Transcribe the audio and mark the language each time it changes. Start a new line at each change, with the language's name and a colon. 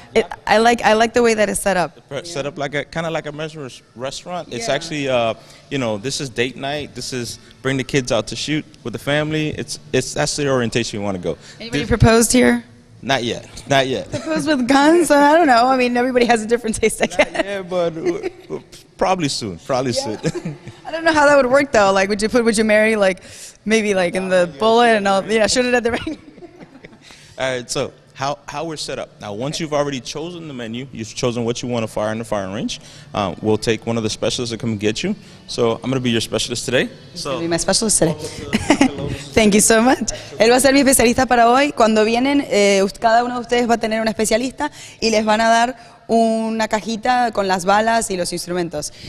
English: Yeah. I like the way that it's set up. Set up like a kind of like a measures restaurant. Yeah. It's actually, you know, this is date night. This is bring the kids out to shoot with the family. It's that's the orientation you want to go. Anybody proposed here? Not yet. Proposed with guns? I don't know. I mean, everybody has a different taste, I guess. Yeah, but probably soon. I don't know how that would work though. Like, would you marry like maybe like in the bullet and all? Yeah, shoot it at the ring. All right, so how we're set up. Now, once you've already chosen the menu, you've chosen what you want to fire in the firing range, we'll take one of the specialists to come get you. So I'm going to be your specialist today. He's going to be my specialist today. Thank you so much.
Spanish: Él va a ser mi especialista para hoy. Cuando vienen, cada uno de ustedes va a tener un especialista y les van a dar una cajita con las balas y los instrumentos.